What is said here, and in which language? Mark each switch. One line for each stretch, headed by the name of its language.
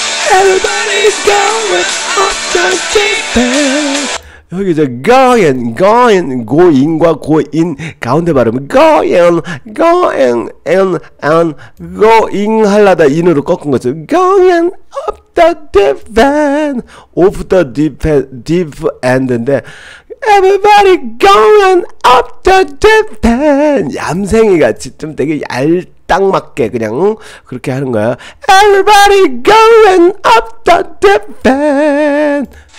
English: Everybody's going up the deep end.
Korean: 여기 이제 going과 go-in 가운데 발음 going 하려다 in으로 꺾은 거죠.
English: Going up the deep end, off the deep end인데 Everybody going up the deep end.
Korean: 얌생이같이 좀 되게 얄딱 맞게 그냥 그렇게 하는 거야.
English: Everybody going up the deep end.